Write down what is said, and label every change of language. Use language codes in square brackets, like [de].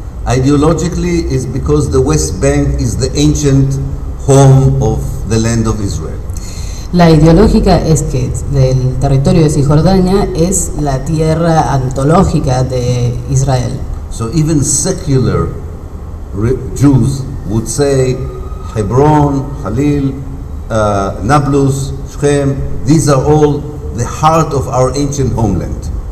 [en] Ideologically is because the West Bank is the ancient home of the land of Israel. [es] La ideológica es que el territorio de Cisjordania es la tierra antológica de Israel. [en] So even secular Jews would say Hebron, Halil, Nablus, Shechem, these are all the heart of our ancient homeland.